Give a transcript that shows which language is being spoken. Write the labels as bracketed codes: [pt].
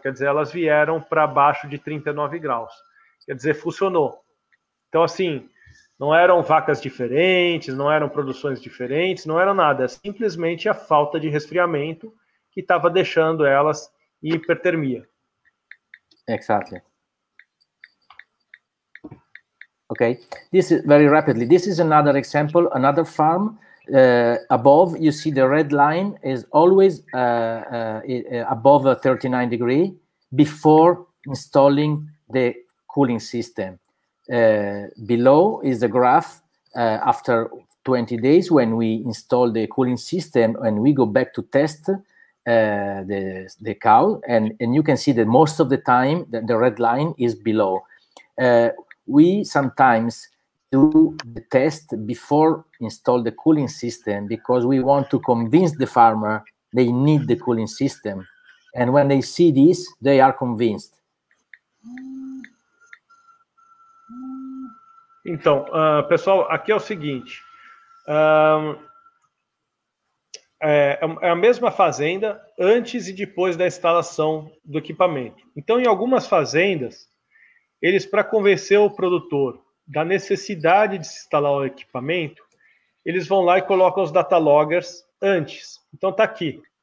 [pt] Quer dizer, elas vieram para baixo de 39 graus. Quer dizer, funcionou. Então, assim, não eram vacas diferentes, não eram produções diferentes, não era nada. É simplesmente a falta de resfriamento que estava deixando elas em hipertermia. Exato. [en] Okay, this is very rapidly. This is another example, another farm. Above, you see the red line is always above 39 degree before installing the cooling system. Below is the graph after 20 days when we install the cooling system and we go back to test the cow. And you can see that most of the time that the red line is below. We sometimes do the test before install the cooling system because we want to convince the farmer they need the cooling system. And when they see this, they are convinced. [pt] Então, pessoal, aqui é o seguinte. É a mesma fazenda antes e depois da instalação do equipamento. Então, em algumas fazendas, eles, para convencer o produtor da necessidade de se instalar o equipamento, eles vão lá e colocam os data loggers antes. Então, está aqui.